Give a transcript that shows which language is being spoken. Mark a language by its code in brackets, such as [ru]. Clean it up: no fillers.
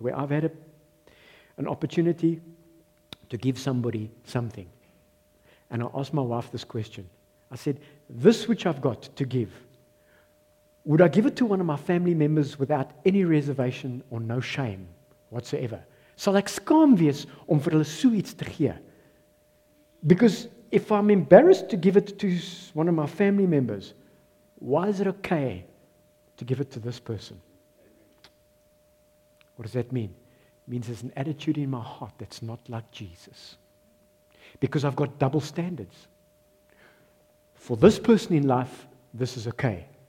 [en] Where I've had an opportunity to give somebody something. And I asked my wife this question. I said, this which I've got to give, would I give it to one of my family members without any reservation or no shame whatsoever? [af] So like skaam wees om vir hulle so iets te gee. [en] Because if I'm embarrassed to give it to one of my family members, why is it okay to give it to this person? What does that mean? Means there's an attitude in my heart that's not like Jesus. Because I've got double standards. For this person in life, this is okay.